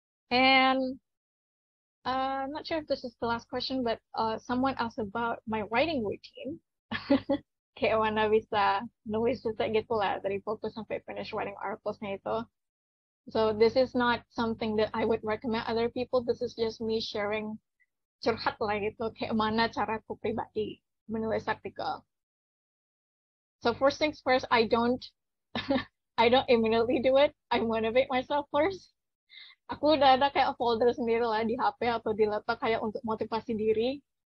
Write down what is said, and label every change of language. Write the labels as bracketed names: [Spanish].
[English] And I'm not sure if this is the last question, but someone asked about my writing routine. [Indonesian] Kayak mana bisa nulis riset gitu lah, dari focus sampai [English] finish writing [Indonesian] articles-nya itu. [English] So this is not something that I would recommend other people. This is just me sharing, [Indonesian] curhat lah gitu, kayak mana caraku pribadi menulis artikel. [English] So first things first, I don't immediately do it. I motivate myself first. [Indonesian] Aku udah ada kayak folder sendiri lah di HP atau di laptop kayak untuk motivasi diri.